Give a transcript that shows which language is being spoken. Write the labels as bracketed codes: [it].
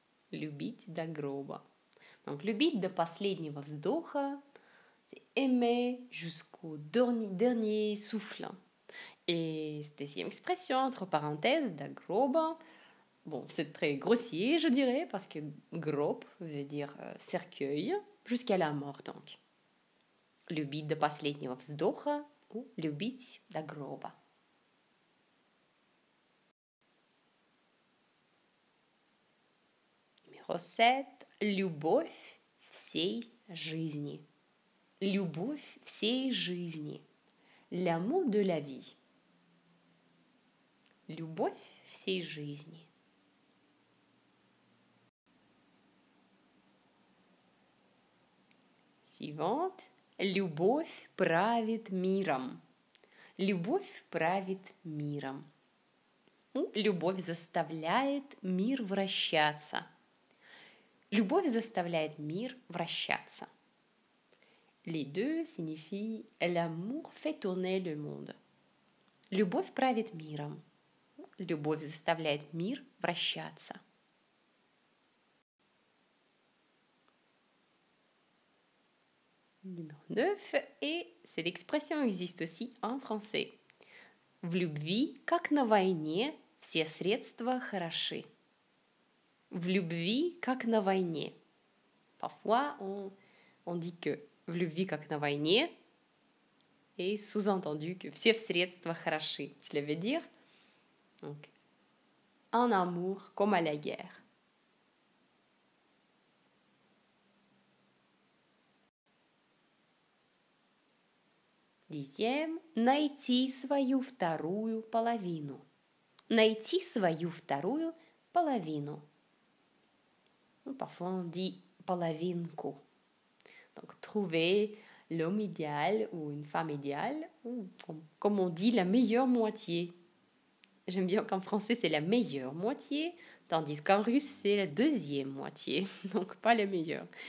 [ru] Любить до гроба. [fr] Donc, [ru] любить до последнего вздоха, [fr] c'est aimer jusqu'au dernier souffle. Et cette sixième expression, entre parenthèses, [ru] до гроба, [fr] Bon, c'est très grossier, je dirais, parce que grob veut dire cercueil, jusqu'à la mort, donc. [ru] Любить до последнего вздоха ou любить до гроба. [fr] Numéro 7. [ru] Любовь всей жизни. Любовь всей жизни. [fr] L'amour de la vie. [ru] Любовь всей жизни. [fr] Suivante. [ru] Любовь правит миром. Любовь правит миром. Любовь заставляет мир вращаться. Любовь заставляет мир вращаться. [fr] Les deux signifient l'amour fait tourner le monde. [ru] Любовь правит миром. Любовь заставляет мир вращаться. [fr] Numéro 9, et cette expression existe aussi en français. [ru] В любви, как на войне, все средства хороши. В любви, как на войне. [fr] Parfois, on dit que [ru] в любви, как на войне, [fr] est sous-entendu que [ru] все средства хороши. [fr] Cela veut dire donc, en amour comme à la guerre. [ru] Dixième, найти свою вторую половину. Найти свою вторую половину. [fr] Parfois on dit половинку. Donc trouver l'homme idéal ou une femme idéale, ou comme on dit la meilleure moitié. J'aime bien qu'en français c'est la meilleure moitié, tandis qu'en russe c'est la deuxième moitié, donc pas la meilleure.